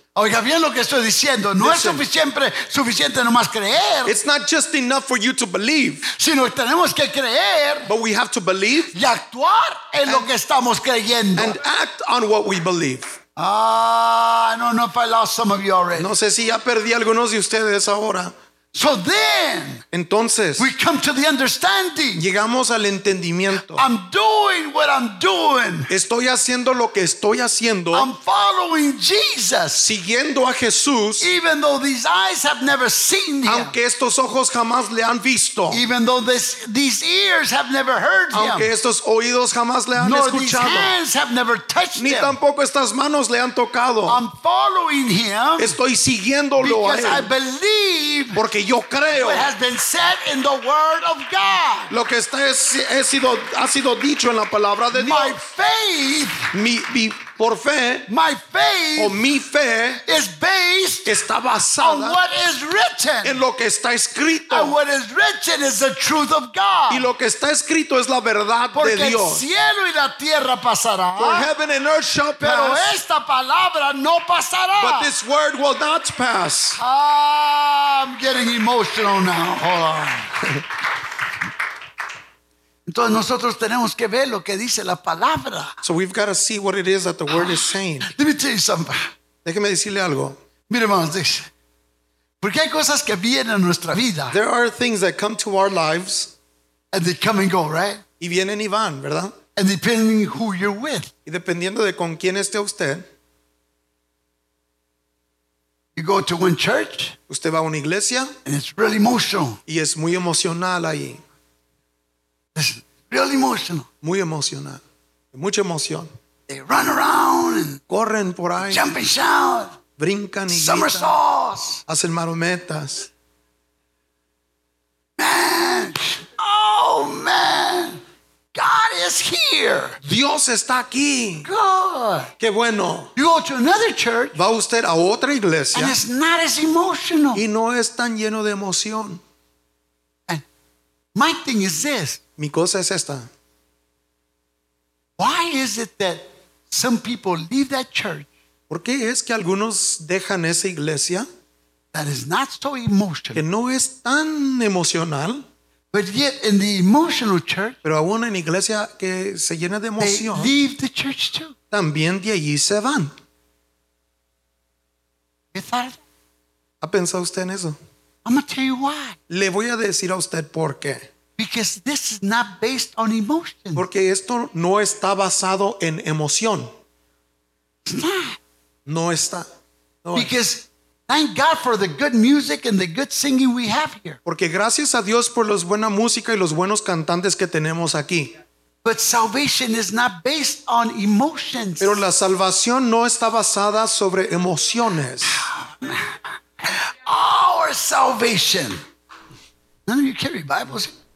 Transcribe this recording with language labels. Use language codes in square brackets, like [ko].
[es] Oiga bien lo que estoy diciendo. No [en] Listen, [es] es suficiente nomás creer. [en] It's not just enough for you to believe. [es] Sino tenemos que creer. [en] But we have to believe. [es] Y actuar en lo que estamos creyendo. [en] And act on what we believe. I don't know if I lost some of you already. [es] No sé si ya perdí algunos de ustedes ahora. [en] So then, [es] entonces, [en] we come to the understanding. [es] Llegamos al entendimiento. [en] I'm doing what I'm doing. [es] Estoy haciendo lo que estoy haciendo. [en] I'm following Jesus. [es] Siguiendo a Jesús. [en] Even though these eyes have never seen him. [es] Aunque estos ojos jamás le han visto. [en] Even though these ears have never heard him. [es] Aunque estos oídos jamás le han escuchado. [en] Nor these hands have never touched him. [es] Ni tampoco estas manos le han tocado. [en] I'm following him. [es] Estoy siguiéndolo a él. [en] Because I believe. [es] Porque yo creo. [en] What has been said in the word of God. [es] Lo que está ha sido dicho en la palabra de Dios. [en] My faith. [es] Mi por fe. [en] My faith. [es] O mi fe. [en] Is based. [es] Está basada. [en] On what is written. [es] En lo que está escrito. [en] And what is written is the truth of God. [es] Y lo que está escrito es la verdad porque de Dios. Porque el cielo y la tierra pasará. [en] For heaven and earth shall pass. [es] Pero esta palabra no pasará. [en] But this word will not pass. I'm getting emotional now. Hold on. [es] Entonces nosotros tenemos que ver lo que dice la palabra. [en] So we've got to see what it is that the word is saying. Let me tell you something. [es] Déjeme decirle algo. Mire, hermanos, dice. Porque hay cosas que vienen a nuestra vida. [en] There are things that come to our lives. And they come and go, right? [es] Y vienen y van, ¿verdad? [en] And depending who you're with. [es] Y dependiendo de con quién esté usted. [en] You go to one church. [es] Usted va a una iglesia. [en] And it's really emotional. [es] Y es muy emocional ahí. [en] It's really emotional. [es] Muy emocional. Mucha emoción. [en] They run around. And [es] corren por ahí. [en] Jump and shout. [es] Brincan y [en] somersaults. [es] Hacen marometas. [en] Man. Oh, man. God is here. [es] Dios está aquí. [en] God. [es] Qué bueno. [en] You go to another church. [es] Va usted a otra iglesia. [en] And it's not as emotional. [es] Y no es tan lleno de emoción. [en] And my thing is this. [es] Mi cosa es esta. [en] Why is it that some people leave that church? [es] ¿Por qué es que algunos dejan esa iglesia? [en] That is not so emotional. [es] Que no es tan emocional. [en] But yet in the emotional church. [es] Pero aún en iglesia que se llena de emoción. [en] They leave the church too. [es] También de allí se van. ¿Ha pensado usted en eso? [en] I'm going to tell you why. [es] Le voy a decir a usted por qué. [en] Because this is not based on emotion. [es] Porque esto no está basado en emoción. [en] It's not. [es] No está. No [en] because [es] es. [en] Thank God for the good music and the good singing we have here. [es] Porque gracias a Dios por los buena música y los buenos cantantes que tenemos aquí. [en] But salvation is not based on emotions. [es] Pero la salvación no está basada sobre emociones. [en] Our salvation. None of you carry Bibles.